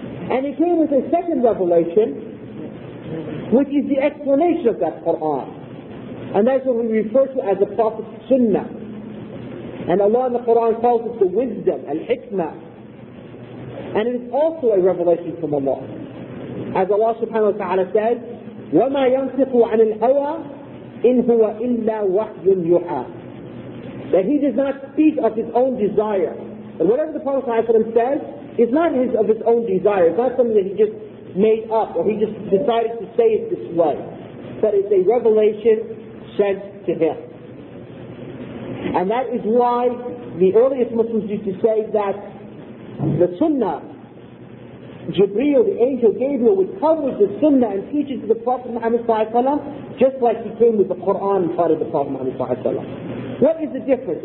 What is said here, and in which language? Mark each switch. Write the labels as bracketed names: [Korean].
[English] And he came with a second revelation, which is the explanation of that Quran. And that's what we refer to as the Prophet's Sunnah. And Allah in the Quran calls it the wisdom, al-hikmah. And it is also a revelation from Allah. As Allah subhanahu wa ta'ala says, [Arabic] وَمَا يَنْطِقُ عَنِ الْهَوَىٰ إِنْ هُوَ إِلَّا وَحْيٌ يُحَىٰ. [English] That he does not speak of his own desire. And whatever the Prophet ﷺ says is not his of his own desire. It's not something that he just made up or he just decided to say it this way. But it's a revelation sent to him. And that is why the earliest Muslims used to say that the Sunnah, Jibreel, the angel Gabriel, would come with the Sunnah and teach it to the Prophet Muhammad sallallahu alaihi wasallam, just like he came with the Quran and taught it to the Prophet Muhammad sallallahu alaihi wasallam. What is the difference?